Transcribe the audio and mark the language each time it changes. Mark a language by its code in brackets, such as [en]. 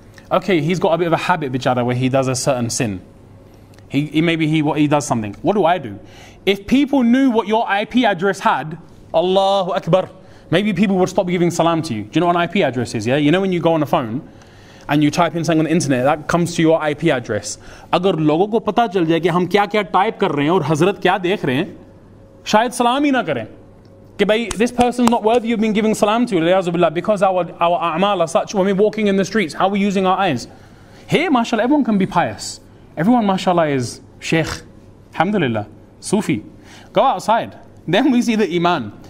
[en] Okay, he's got a bit of a habit, bichara, where he does a certain sin. He does something. What do I do? If people knew what your IP address had, Allahu Akbar, maybe people would stop giving salam to you. Do you know what an IP address is? Yeah, you know when you go on a phone and you type in something on the internet, that comes to your IP address. [ur] اگر لوگوں کو پتا چل جائے کہ ہم کیا کیا ٹائپ کر رہے ہیں اور حضرت کیا دیکھ رہے ہیں، شاید سلام ہی نہ کرے۔ [en] Ki bhai, this person's not worthy of being giving salam to, because our a'mal are such. When we're walking in the streets, how are we using our eyes? Here, mashallah, everyone can be pious. Everyone, mashallah, is Sheikh. Alhamdulillah. Sufi. Go outside. Then we see the iman.